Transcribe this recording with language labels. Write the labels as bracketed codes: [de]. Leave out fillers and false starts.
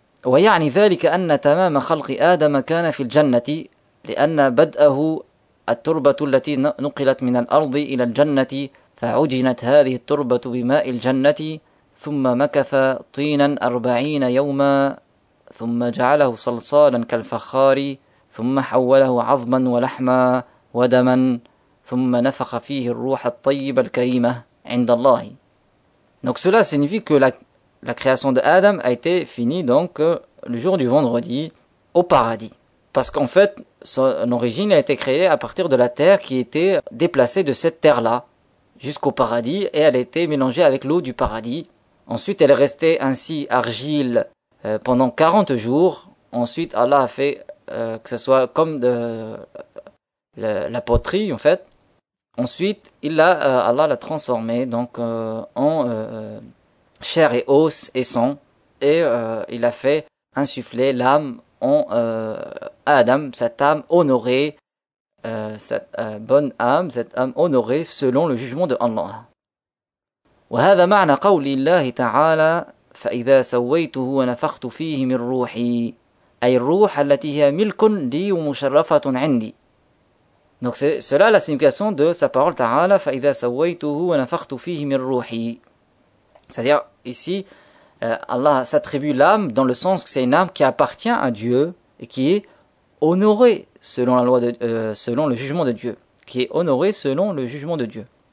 [ar] ويعني ذلك أن تمام خلق آدم كان في الجنة لأن بدأه التربة التي نقلت من الأرض إلى الجنة فعجنت هذه التربة بماء الجنة ثم مكث طينا 40 يوما ثم جعله صلصالا كالفخار ثم حوله عظما ولحما وَدَمًا ثُمَّ نَفَخَ فِيهِ الرُّوحَ الطَّيِّبَ الْكَرِيمَةِ عِنْدَ اللَّهِ. [fr] Donc cela signifie que la création de Adam a été finie donc le jour du vendredi au paradis. Parce qu'en fait, son origine a été créée à partir de la terre qui était déplacée de cette terre-là jusqu'au paradis et elle a été mélangée avec l'eau du paradis. Ensuite, elle est restée ainsi argile pendant 40 jours. Ensuite, Allah a fait que ce soit comme de la poterie en fait. Ensuite, Allah l'a transformée donc en chair et os et sang et il a fait insuffler l'âme à Adam, cette âme honorée, cette bonne âme, cette âme honorée selon le jugement de Allah. [ar] وهذا معنى قول الله تعالى فإذا سويته ونفخت فيه من روحي أي الروح التي هي ملك لي ومشرفة عندي. [fr] Donc c'est cela la signification de sa parole ta'ala [ar] فَإِذَا سَوَّيْتُهُ وَنَفَخْتُ فِيهِ مِنْ رُوحِي. [fr] C'est-à-dire ici Allah s'attribue l'âme dans le sens que c'est une âme qui appartient à Dieu et qui est honorée selon la loi de selon le jugement de Dieu, qui est honorée selon le jugement de Dieu.